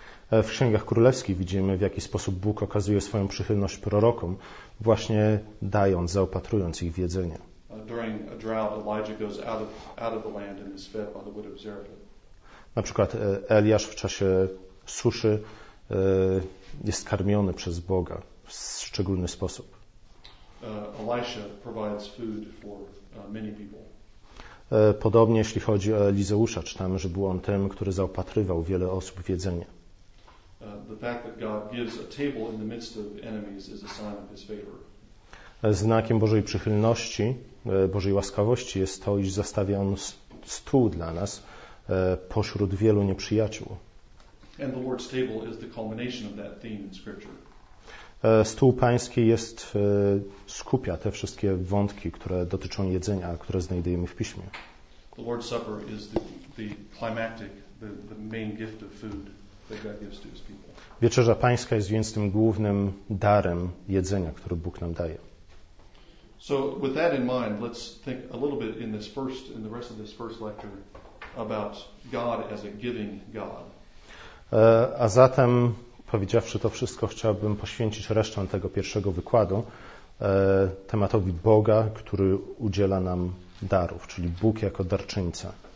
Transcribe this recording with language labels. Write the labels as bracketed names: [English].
[Polish] W Księgach Królewskich widzimy, w jaki sposób Bóg okazuje swoją przychylność prorokom, właśnie dając, zaopatrując ich w jedzenie. [English] During a drought, Elijah goes out of the land and is fed by the widow of Zarephath. [Polish] Na przykład Eliasz w czasie suszy jest karmiony przez Boga w szczególny sposób. [English] Elisha provides food for many people. [Polish] Podobnie jeśli chodzi o Elizeusza, czytamy, że był on tym, który zaopatrywał wiele osób w jedzenie. [English] The fact that God gives a table in the midst of enemies is a sign of his favor. [Polish] Znakiem Bożej przychylności, Bożej łaskawości jest to, iż zastawia on stół dla nas pośród wielu nieprzyjaciół. [English] And the Lord's table is the culmination of that theme in Scripture. [Polish] Stół Pański jest skupia te wszystkie wątki, które dotyczą jedzenia, które znajdujemy w Piśmie. [English] The Lord's Supper is the climactic, the main gift of food that God gives to his people. [Polish] Wieczerza Pańska jest więc tym głównym darem jedzenia, który Bóg nam daje. [English] So with that in mind, let's think a little bit in the rest of this first lecture about God as a giving God. [Polish] A zatem, powiedziawszy to wszystko, chciałbym poświęcić resztę tego pierwszego wykładu tematowi Boga, który udziela nam darów, czyli Bóg jako darczyńca.